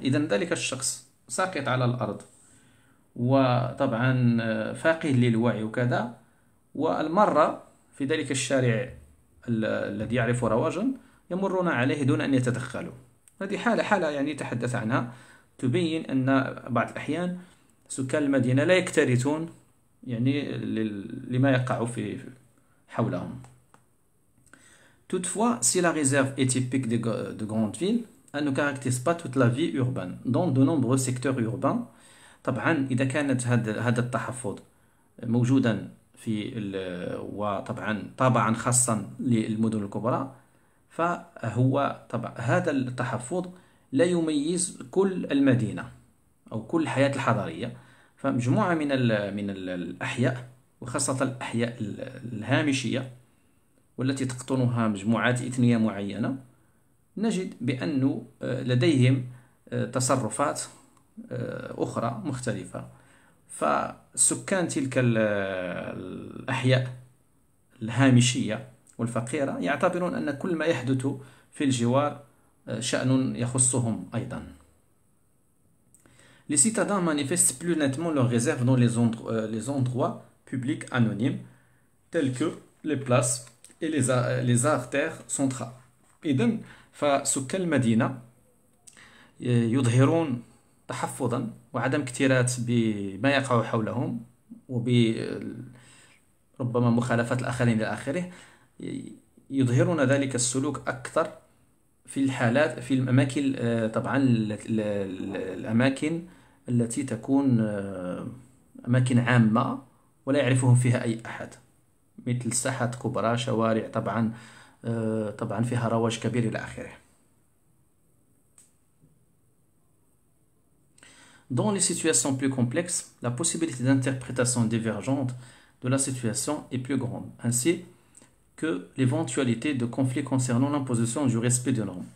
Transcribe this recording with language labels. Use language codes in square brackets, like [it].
[ar] إذن ذلك الشخص ساقط على الأرض وطبعا فاقد للوعي وكذا، والمرة في ذلك الشارع الذي يعرف رواجا يمرون عليه دون أن يتدخلوا. هذه حالة يعني تحدث عنها، تبين أن بعض الأحيان سكان المدينة لا يكترثون يعني لما يقع في حولهم. [fr] Toutefois, si la réserve est typique de grandes villes, elle ne caractérise pas toute la vie urbaine. Dans de nombreux secteurs urbains, [ar] طبعا إذا كانت هذا التحفظ موجودا في وطبعا طابعا خاصا للمدن الكبرى، فهو طبعا هذا التحفظ لا يميز كل المدينة أو كل الحياة الحضرية، فمجموعة من الأحياء وخاصة الأحياء الهامشية والتي تقطنها مجموعات إثنية معينة، نجد بأنه لديهم تصرفات أخرى مختلفة، فسكان تلك الأحياء الهامشية والفقيرة يعتبرون أن كل ما يحدث في الجوار شأن يخصهم أيضا. [fr] Les citadins manifestent plus nettement leurs réserves dans les endroits publics anonymes, tels que les places et les artères centrales. [ar] إذن فسكان المدينة يظهرون تحفظا وعدم اكتراث بما يقع حولهم وب ربما مخالفات الآخرين إلى آخره، يظهرون ذلك السلوك أكثر في الحالات في الأماكن طبعا الأماكن التي تكون أماكن عامة ولا يعرفهم فيها أي أحد، مثل ساحات كبرى، شوارع طبعا طبعا فيها رواج كبير إلى آخره. [fr] Dans les situations plus complexes, la possibilité d'interprétation divergente de la situation est plus grande, ainsi que l'éventualité de conflits concernant l'imposition du respect des normes.